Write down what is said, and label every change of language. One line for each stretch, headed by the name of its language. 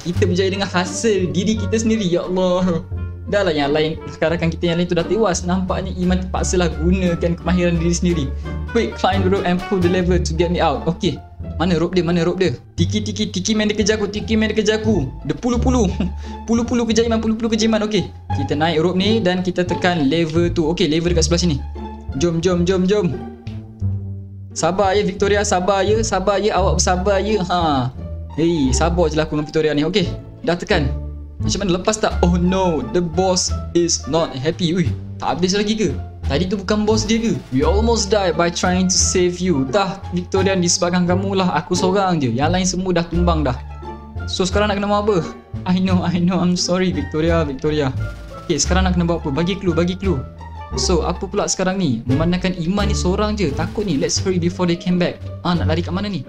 Malay: Kita berjaya dengan hasil diri kita sendiri. Ya Allah. Dah lah yang lain. Rakan-rakan kita yang lain tu dah tewas. Nampaknya Iman terpaksalah gunakan kemahiran diri sendiri.
English: Quick, climb the rope and pull the lever to get me out.
Malay: Okay. Mana rope dia? Tiki man dia kejar aku. Dia pulu kejar Iman. Okay. Kita naik rope ni dan kita tekan lever tu. Okay, lever dekat sebelah sini. Jom. Sabar ya Victoria, awak bersabar ya. Hey, sabar je lah aku dengan Victoria ni. Okay, dah tekan. Macam mana, lepas tak?
English: Oh no, the boss is not happy.
Malay: Ui, tak habis lagi ke? Tadi tu bukan boss dia ke?
English: We almost died by trying to save you.
Malay: Dah, Victoria, di sebelah kamu lah. Aku seorang je, yang lain semua dah tumbang dah. So sekarang nak kena buat apa?
English: I know, I'm sorry
Malay: Victoria. Okay, sekarang nak kena buat apa? Bagi clue. So, apa pula sekarang ni? Memandangkan Iman ni seorang je. Takut ni.
English: Let's hurry before they came back.
Malay: Nak lari kat mana ni?